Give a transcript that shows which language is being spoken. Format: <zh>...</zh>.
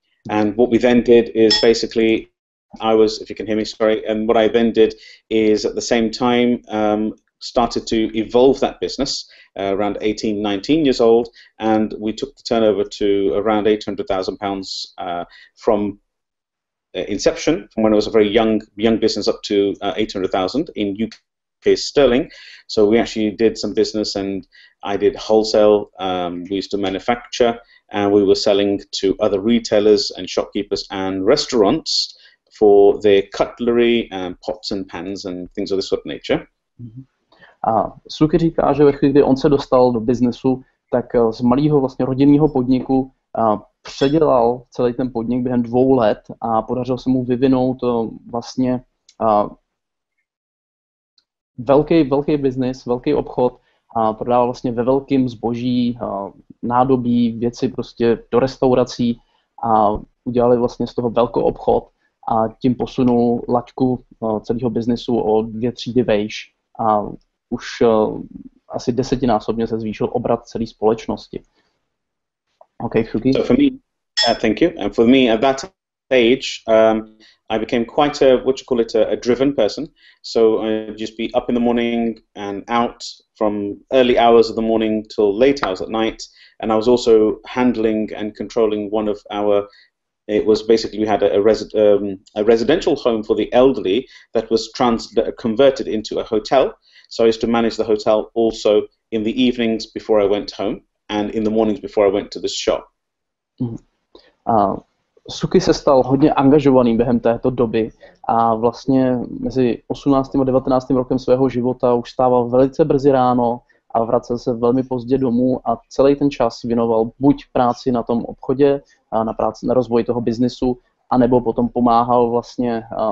<en>And what we then did is basically I was, if you can hear me, sorry, and what I then did is at the same time started to evolve that business around 18, 19 years old, and we took the turnover to around £800,000 from inception, from when it was a very young business up to £800,000 in UK sterling. So we actually did some business, and I did wholesale. We used to manufacture, and we were selling to other retailers and shopkeepers and restaurants for their cutlery and pots and pans and things of this sort of nature. Mm-hmm.</en> <cs>A Suky říká, že ve chvíli, kdy on se dostal do biznesu, tak z malého vlastně rodinného podniku předělal celý ten podnik během 2 let a podařilo se mu vyvinout vlastně velký biznis, velký obchod a prodával vlastně ve velkým zboží, nádobí, věci prostě do restaurací a udělali vlastně z toho velký obchod a tím posunul laťku celého biznisu o 2 třídy vejš a už asi 10x se zvýšil obrat celé společnosti.</cs> <en>Okay, Suky. So for me, thank you. And for me at that age, I became quite a driven person. So I'd just be up in the morning and out from early hours of the morning till late hours at night, and I was also handling and controlling one of our, it was basically we had a residential home for the elderly that was converted into a hotel. So I used to manage the hotel also in the evenings before I went home. and in the mornings before I went to the shop.</en> <cs>Suky se stal hodně angažovaný během této doby a vlastně mezi 18. a 19. rokem svého života už stával velice brzy ráno a vracel se velmi pozdě domů a celý ten čas věnoval buď práci na tom obchodě, na práci na rozvoji toho biznisu, anebo potom pomáhal vlastně</cs>